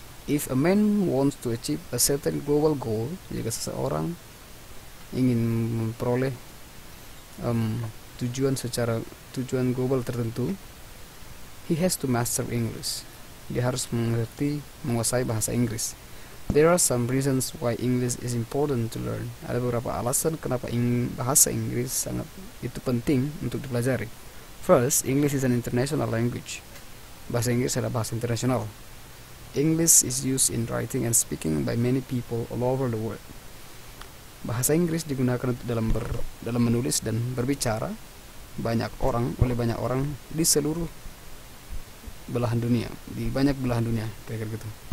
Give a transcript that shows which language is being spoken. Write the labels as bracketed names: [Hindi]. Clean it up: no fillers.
[English] If a man wants to achieve a certain global goal, [Indonesian] jika seseorang ingin memperoleh tujuan secara tujuan global tertentu, [English] he has to master English. [Indonesian] Dia harus mengerti, menguasai bahasa Inggris. [English] There are some reasons why English is important to learn. [Indonesian] Ada beberapa alasan kenapa bahasa Inggris sangat itu penting untuk dipelajari. [English] First, English is an international language. [Indonesian] Bahasa Inggris adalah bahasa internasional. [English] English is used in writing and speaking by many people all over the world. [Indonesian] Bahasa Inggris digunakan untuk dalam menulis dan berbicara oleh banyak orang di seluruh belahan dunia, di banyak belahan dunia, kayak gitu.